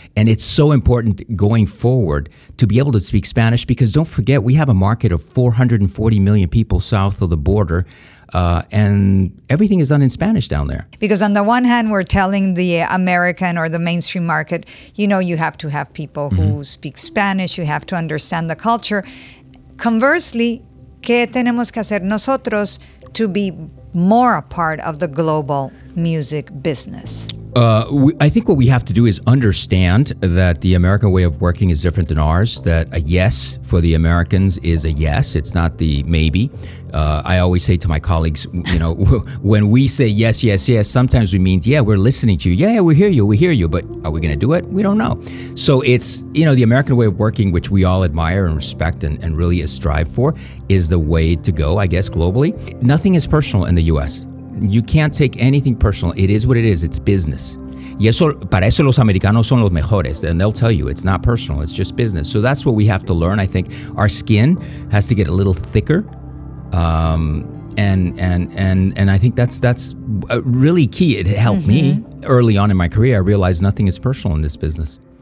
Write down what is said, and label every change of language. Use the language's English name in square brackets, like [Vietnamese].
[English] And it's so important going forward to be able to speak Spanish, because don't forget, we have a market of 440 million people south of the border, and everything is done in Spanish down there. Because on the one hand, we're telling the American or the mainstream market, you know, you have to have people who speak Spanish, you have to understand the culture. Conversely, ¿qué tenemos que hacer nosotros to be more a part of the global music business? I think what we have to do is understand that the American way of working is different than ours, that a yes for the Americans is a yes. It's not the maybe. I always say to my colleagues, you know, when we say yes, yes, yes, sometimes we mean, yeah, we're listening to you. Yeah, yeah, we hear you. But are we going to do it? We don't know. So it's, you know, the American way of working, which we all admire and respect and really strive for, is the way to go, I guess, globally. Nothing is personal in the U.S. You can't take anything personal. It is what it is. It's business. [Spanish] Y eso, para eso los americanos son los mejores. [English] And they'll tell you it's not personal. It's just business. So that's what we have to learn. I think our skin has to get a little thicker. And I think that's really key. It helped me early on in my career. I realized nothing is personal in this business.